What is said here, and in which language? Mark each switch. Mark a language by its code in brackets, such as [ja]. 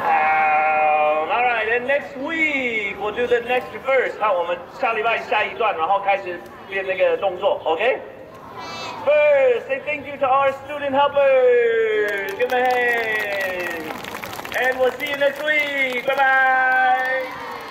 [en] All right, and next week we'll do the next verse. [zh] 好，我们下礼拜下一段，然后开始练那个动作 ，OK? [en] First, say thank you to our student helpers. Give them a hand. And we'll see you next week. Bye-bye.